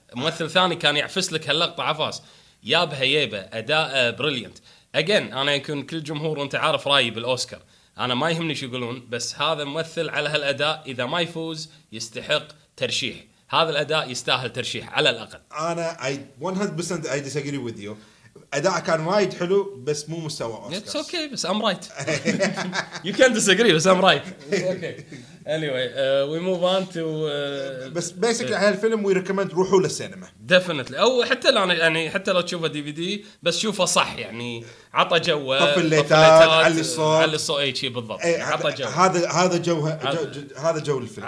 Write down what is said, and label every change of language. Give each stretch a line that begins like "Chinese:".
Arabic: ممثل ثاني كان يعفس لك هاللقطة عفاس، يابها ييبه، أداء بريليانت. أجين أنا يكون كل جمهور، أنت عارف رأيي بالأوسكار، أنا ما يهمني شو يقولون، بس هذا ممثل على هالأداء إذا ما يفوز يستحق ترشيح، هذا الأداء يستاهل ترشيح على الأقل. أنا
English: 100% I disagree with you.
Arabic: أداء كان وايد حلو بس مو مستوى أوسكار.
English: It's okay بس I'm right. You can disagree بس I'm right. Okay. Anyway, we move on to.
Arabic: بس basically هاي الفيلم
English: we recommend
Arabic: روحوا للسينما.
English: Definitely.
Arabic: أو حتى لو يعني حتى لو تشوفه DVD بس شوفه صح يعني، عطى جو. طف الليتات، علي الصوت. علي الصوت أي شيء بالضبط. عطى جو. هذا جو هذا جو الفيلم.